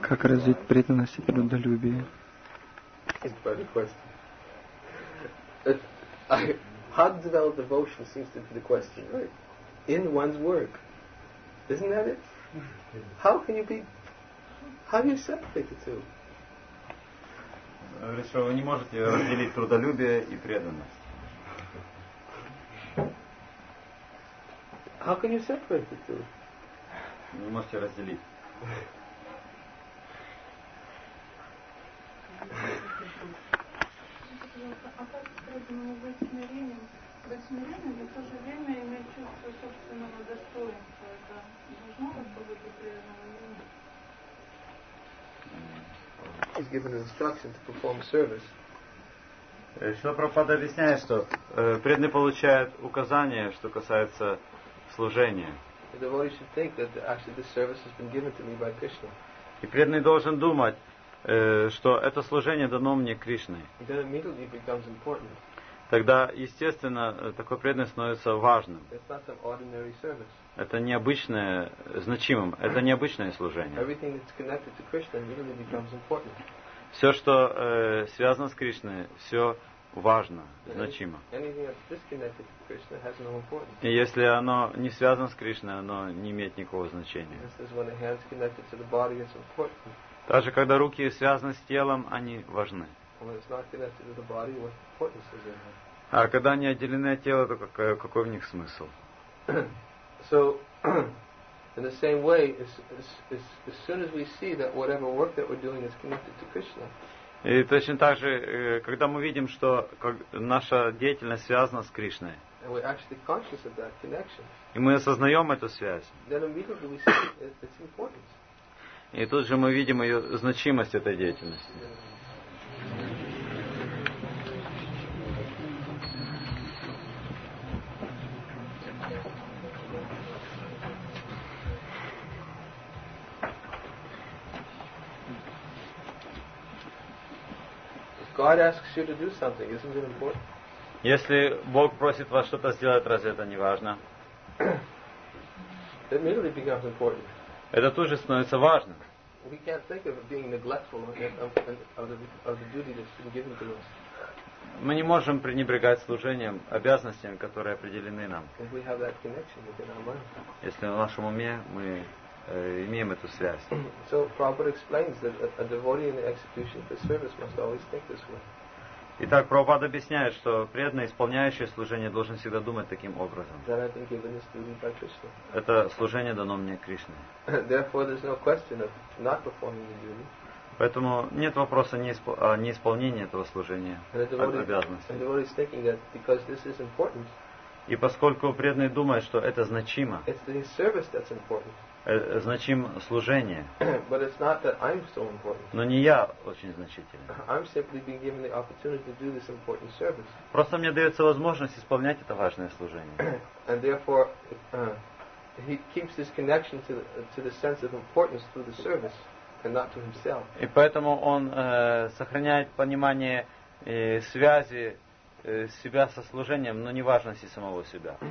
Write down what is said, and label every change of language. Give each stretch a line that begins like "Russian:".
Russian: Как развить преданность и трудолюбие?
English: It's a better question. How to develop devotion seems to be the question, right? In one's work. Isn't that it? How can you be... How do you separate the two?
Russian: Говорит, что вы не можете разделить трудолюбие и преданность.
English: How can you separate the two?
Russian: Не можете разделить. А как преданному быть смирением? Быть смиренным и в то же время иметь чувство собственного достоинства. Это должно как бы быть преданного или нет?
English: He's given instruction to perform service.
Russian: Шрила Прабхупада объясняет, что преданный получает указание, что касается служения.
English: The devotee should think that actually this service has been given to me by Krishna.
Russian: И преданный должен думать, что это служение дано мне Кришной.
English: Then immediately becomes important.
Russian: Тогда, естественно, такой преданный становится важным.
English: It's not some ordinary service.
Russian: Это необычное, значимым. Это необычное служение.
English: Everything that's connected to Krishna really becomes important.
Russian: Все, что связано с Кришной, все важно, значимо.
English: Anything that's disconnected to Krishna has no importance.
Russian: И если оно не связано с Кришной, оно не имеет никакого значения.
English: Just as when a hand's connected to the body, it's important.
Russian: Даже когда руки связаны с телом, они важны.
English: When it's not connected to the body, what importance is there?
Russian: А когда они отделены от тела, то какой в них смысл?
English: So, in the same way, as soon as we see that whatever work that we're doing is connected to Krishna.
Russian: И точно так же, когда мы видим, что наша деятельность связана с Кришной.
English: And we're actually conscious of that connection.
Russian: И мы осознаем эту связь.
English: Then immediately we see its importance.
Russian: И тут же мы видим ее значимость этой деятельности.
English: God asks you to do something. Isn't it important?
Russian: Если Бог просит вас что-то сделать, разве это не важно?
English: It immediately becomes important.
Russian: Это тоже становится важным.
English: We can't think of being neglectful of the duty that's been given to us.
Russian: Мы не можем пренебрегать служением, обязанностями, которые определены нам.
English: If we have that connection within our mind.
Russian: Если в нашем уме мы имеем эту связь.
English: So Prabhupada explains that a devotee in the execution of the service must always think this way.
Russian: Итак, Прабхупада объясняет, что преданный, исполняющий служение, должен всегда думать таким образом.
English: That I've been given this duty by Krishna.
Russian: Это служение дано мне Кришной.
English: Therefore, there's no question of not performing the duty.
Russian: Поэтому нет вопроса о неисполнении этого служения, обязанности.
English: And the devotee is thinking that because this is important.
Russian: И поскольку преданный думает, что это значимо.
English: It's the service that's important.
Russian: Значим служение.
English: But it's not that I'm so important.
Russian: Но не я очень значителен.
English: I'm simply being given the opportunity to do this important service.
Russian: Просто мне дается возможность исполнять это важное служение.
English: And therefore, he keeps this connection to the sense of importance through the service, and not to himself.
Russian: И поэтому он сохраняет понимание связи себя со служением, но не важности самого себя.